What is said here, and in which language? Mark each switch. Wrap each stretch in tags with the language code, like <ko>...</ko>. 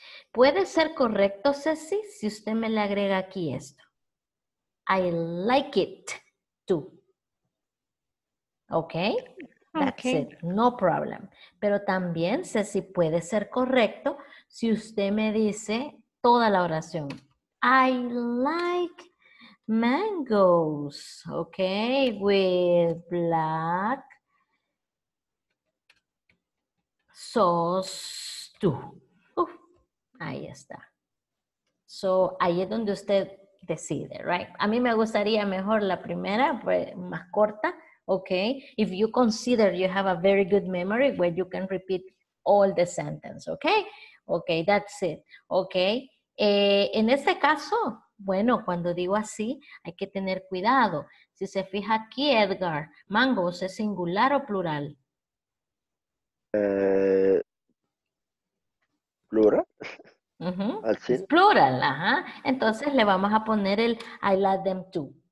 <es>¿Puede ser correcto, Ceci, si usted me le agrega aquí esto?</es> <en>I like it. Tú. Okay? That's okay. It. No problem.</en> <es>Pero también sé si puede ser correcto si usted me dice toda la oración.</es> <en>I like mangoes, okay, with black sauce too.</en> <es>Ahí está. So, ahí es donde usted decide, right? A mí me gustaría mejor la primera, más corta, okay?</es> <en>If you consider you have a very good memory where you can repeat all the sentence, okay? Okay, that's it, okay?</en> <es>En este caso, bueno, cuando digo así, hay que tener cuidado. Si se fija aquí, Edgar, mangos, ¿es singular o plural? Plural. Uh-huh.</es> <en>It's plural,</en> <es>ajá. Entonces le vamos a poner el</es> <en>I like them too.</en>